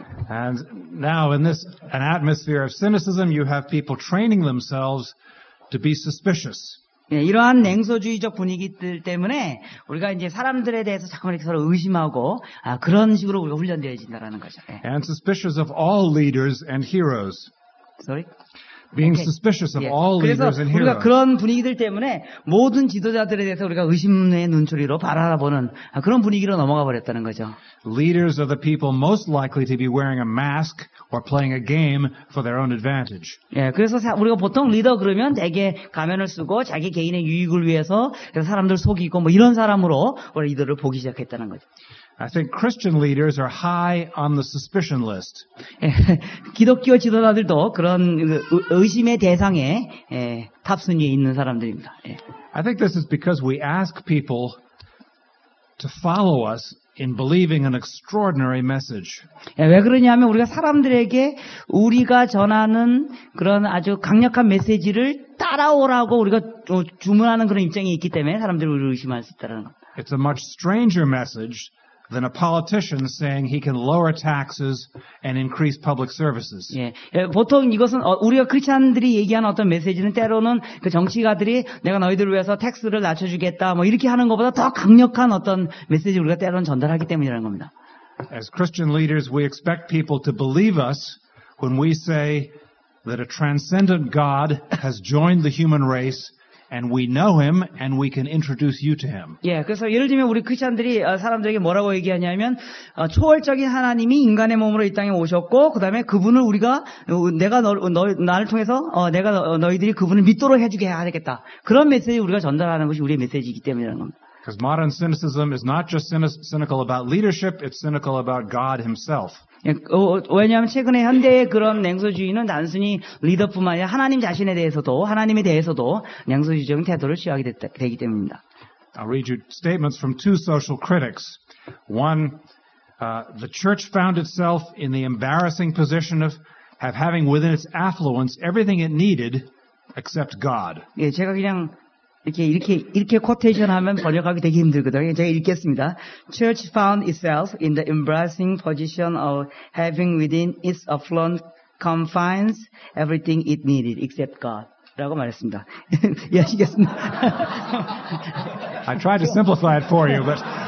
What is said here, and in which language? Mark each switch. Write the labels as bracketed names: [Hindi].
[English] And now in this an atmosphere of cynicism, you have people training themselves to be suspicious. [Korean] 예, 이러한 냉소주의적 분위기들 때문에 우리가 이제 사람들에 대해서 자꾸 이렇게 서로 의심하고 그런 식으로 우리가 훈련되어진다라는 거죠. 예. [English] And suspicious of all leaders and heroes. Sorry. being suspicious of all leaders and heroes. [Korean] 우리가 그런 분위기들 때문에 모든 지도자들에 대해서 우리가 의심의 눈초리로 바라보는 그런 분위기로 넘어가 버렸다는 거죠. [English] Leaders are the people most likely to be wearing a mask or playing a game for their own advantage. [Korean] 예, 그래서 우리가 보통 리더 그러면 대개 가면을 쓰고 자기 개인의 유익을 위해서 사람들 속이고 뭐 이런 사람으로 우리 리더를 보기 시작했다는 거죠. [English] I think Christian leaders are high on the suspicion list. [Korean] 기독교 지도자들도 그런 의심의 대상에 탑 순위에 있는 사람들입니다. [English] I think this is because we ask people to follow us in believing an extraordinary message. [Korean] 왜 그러냐면 우리가 사람들에게 우리가 전하는 그런 아주 강력한 메시지를 따라오라고 우리가 주문하는 그런 입장이 있기 때문에 사람들이 우리를 의심할 수 있다는 거. [English] It's a much stranger message. Than a politician saying he can lower taxes and increase public services. [Korean] 예, 보통 이것은 우리가 크리스천들이 얘기하는 어떤 메시지는 때로는 그 정치가들이 내가 너희들을 위해서 택스를 낮춰주겠다 뭐 이렇게 하는 것보다 더 강력한 어떤 메시지 우리가 때로는 전달하기 때문이라는 겁니다. [English] As Christian leaders, we expect people to believe us when we say that a transcendent God has joined the human race. And we know him, and we can introduce you to him. [Korean] 예, 그래서 예를 들면 우리 크리스천들이 사람들에게 뭐라고 얘기하냐면 초월적인 하나님이 인간의 몸으로 이 땅에 오셨고, 그다음에 그분을 우리가 내가 나를 통해서 내가 너희들이 그분을 믿도록 해주게 해야겠다. 그런 메시지 우리가 전달하는 것이 우리의 메시지이기 때문이라는 겁니다. [English] Because modern cynicism is not just cynical about leadership; it's cynical about God Himself. [Korean] 왜냐하면 최근에 현대의 그런 냉소주의는 단순히 리더뿐만 아니라 하나님 자신에 대해서도 하나님에 대해서도 냉소주의적인 태도를 취하게 되기 때문입니다. [English] I'll read you statements from two social critics. One, the church found itself in the embarrassing position of having within its affluence everything it needed except God. [Korean] 예, 제가 그냥 이렇게 코테이션 하면 번역하기 되게 힘들거든요. 제가 읽겠습니다. [English] Church found itself in the embarrassing position of having within its affluent confines everything it needed except God. [Korean] 라고 말했습니다. 이해하시겠습니다. [English] I tried to simplify it for you, but